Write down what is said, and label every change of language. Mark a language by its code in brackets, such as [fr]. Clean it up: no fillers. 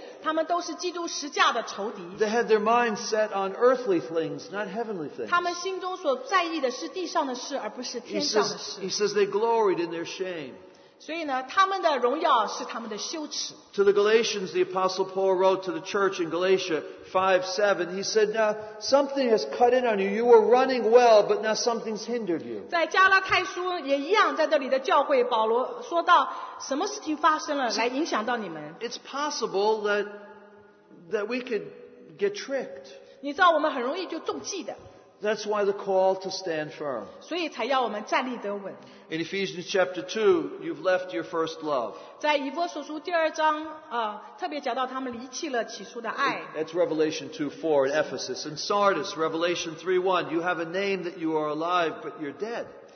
[zh] 在腓立比书，他们讲到他们的教会情形，他们的神就是他们的肚腹，他们都是基督十架的仇敌。 [en] They had their minds set on earthly things, not heavenly things. [zh] 他们心中所在意的是地上的事，而不是天上的事。 [en] He says they gloried in their shame. [zh] 所以呢，他们的荣耀是他们的羞耻。 [en] To the Galatians, the Apostle Paul wrote to the church in Galatia 5:7. He said, "Now something has cut in on you. You were running well, but now something's hindered you." [zh] 在加拉太书也一样，在这里的教会，保罗说到什么事情发生了，来影响到你们。 [en] It's possible that we could get tricked. [zh] 你知道，我们很容易就中计的。 [en] That's why the call to stand firm. [zh] 所以才要我们站立得稳。 [en] In Ephesians chapter 2, you've left your first love. [zh] 在以弗所书第二章, 特别讲到他们离弃了起初的爱。 [en] That's Revelation 2:4 in Ephesus. In Sardis, Revelation 3:1, you have a name that you are alive, but you're dead.